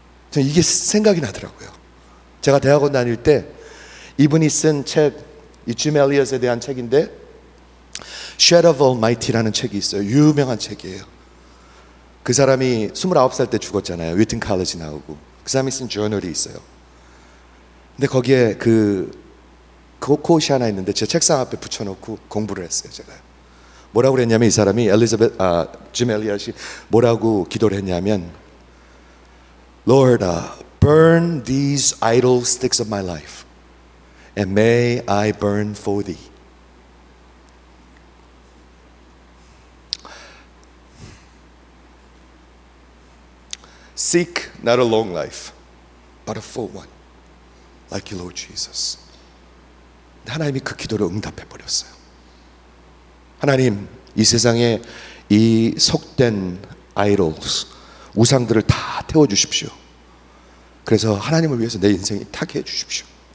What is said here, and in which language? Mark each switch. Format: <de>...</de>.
<ko>저는 이게 생각이 나더라고요. 제가 대학원 다닐 때 이분이 쓴 책, 이 짐 엘리엇에 대한 책인데 Shed of Almighty라는 책이 있어요. 유명한 책이에요. 그 사람이 29살 때 죽었잖아요. 위튼 칼리지 나오고. 그 사람이 쓴 저널이 있어요. 근데 거기에 그 코옷이 하나 있는데 제 책상 앞에 붙여놓고 공부를 했어요. 제가 뭐라고 그랬냐면 이 사람이 짐 엘리엇이 뭐라고 기도를 했냐면</ko> <en>Lord, burn these idle sticks of my life and may I burn for thee. 'Seek not a long life, but a full one, like you, Lord Jesus.'</en> <ko>하나님이 그 기도를 응답해 버렸어요. 하나님, 이 세상에 이 속된 idols, 우상들을 다 태워 주십시오. 그래서 하나님을 위해서 내 인생이 타게 해 주십시오.</ko>